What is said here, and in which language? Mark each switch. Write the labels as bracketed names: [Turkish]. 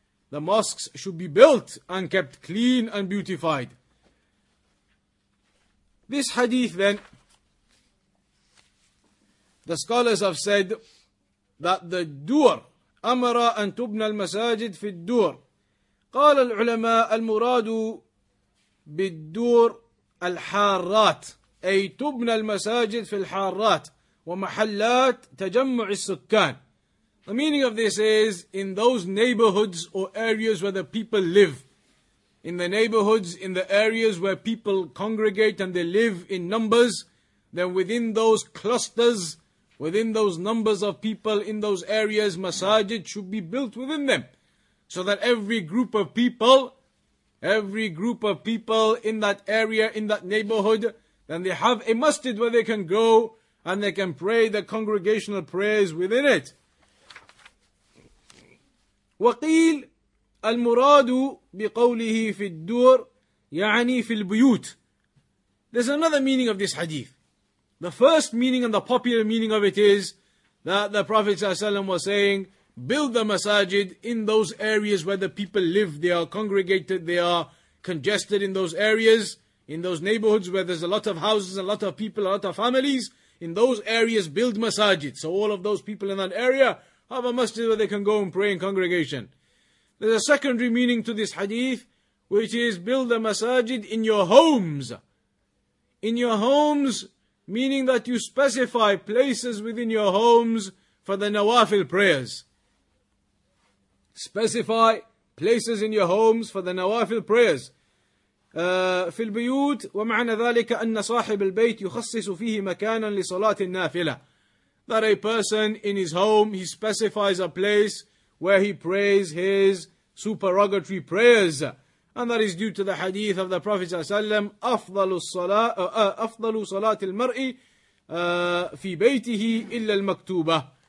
[English] The mosques should be built and kept clean and beautified. This hadith then, the scholars have said that the dur, [Arabic] amara an tubna al-masajid fi dur. قال العلماء المراد بالدور الحارات أي تبنى المساجد في الحارات ومحلات تجمع السكان. [English] The meaning of this is, in those neighborhoods or areas where the people live, in the neighborhoods, in the areas where people congregate and they live in numbers, then within those clusters, within those numbers of people in those areas, masajid should be built within them. So that every group of people in that area, in that neighborhood, then they have a masjid where they can go and they can pray the congregational prayers within it. [Arabic] وقيل المراد بقوله في الدور يعني في البيوت. [English] There's another meaning of this hadith. The first meaning and the popular meaning of it is that the Prophet ﷺ was saying, build the masajid in those areas where the people live, they are congregated, they are congested in those areas, in those neighborhoods where there's a lot of houses, a lot of people, a lot of families, in those areas build masajid. So all of those people in that area have a masjid where they can go and pray in congregation. There's a secondary meaning to this hadith, which is build a masajid in your homes. In your homes, meaning that you specify places within your homes for the nawafil prayers. Specify places in your homes for the nawafil prayers. [Arabic] في البيوت ومعنى ذلك أن صاحب البيت يخصص فيه مكانا لصلاة النافلة. [English] That a person in his home, he specifies a place where he prays his supererogatory prayers. And that is due to the hadith of the Prophet ﷺ, [Arabic] أفضل صلاة المرء في بيته إلا المكتوبة.